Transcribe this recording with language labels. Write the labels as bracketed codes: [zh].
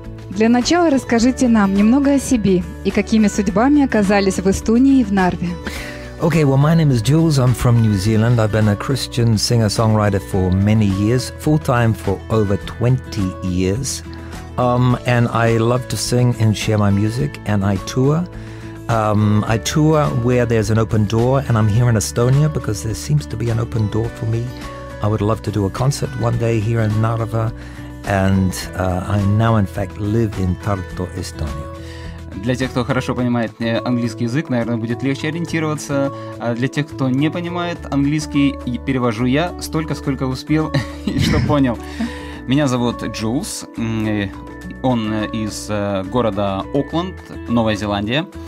[ru] Для начала расскажите нам немного о себе и какими судьбами оказались в Эстонии и в Нарве. [en] Okay, well, my name is Jules. I'm from New Zealand. I've been a Christian singer-songwriter for many years, full-time for over 20 years. And I love to sing and share my music, and I tour. I tour where there's an open door, and I'm here in Estonia because there seems to be an open door for me. I would love to do a concert one day here in Narva, and I now, in fact, live in Tartu, Estonia. [ru] Для тех, кто хорошо понимает английский язык, наверное, будет легче ориентироваться. А для тех, кто не понимает английский, перевожу я столько, сколько успел и что понял. Меня зовут Джулс. Он из города Окленд, Новая Зеландия.